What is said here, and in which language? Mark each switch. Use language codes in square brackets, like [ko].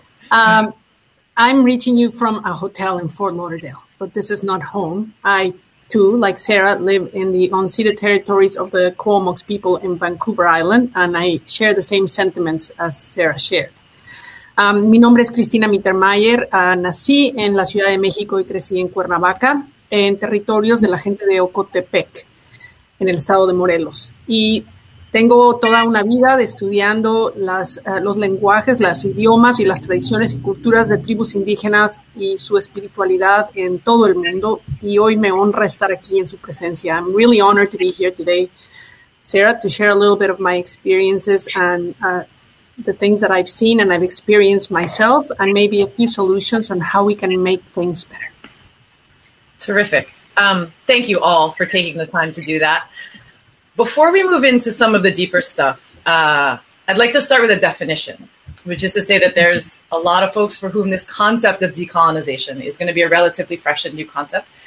[en] I'm reaching you from a hotel in Fort Lauderdale, but this is not home. I, too, like Sarah, live in the unceded territories of the Kuomox people in Vancouver Island, and I share the same sentiments as Sarah shared. [es] Mi nombre es Cristina Mittermeier. Nací en la Ciudad de México y crecí en Cuernavaca, en territorios de la gente de Ocotepec, en el estado de Morelos. Y tengo toda una vida de estudiando los lenguajes, los idiomas y las tradiciones y culturas de tribus indígenas y su espiritualidad en todo el mundo. Y hoy me honra estar aquí en su presencia. [en] I'm really honored to be here today, Sarah, to share a little bit of my experiences and the things that I've seen and I've experienced myself, and maybe a few solutions on how we can make things better. Terrific. Thank you all for taking the time to do that. Before we move into some of the deeper stuff, I'd like to start with a definition, which is to say that there's a lot of folks for whom this concept of decolonization is going to be a relatively fresh and new concept.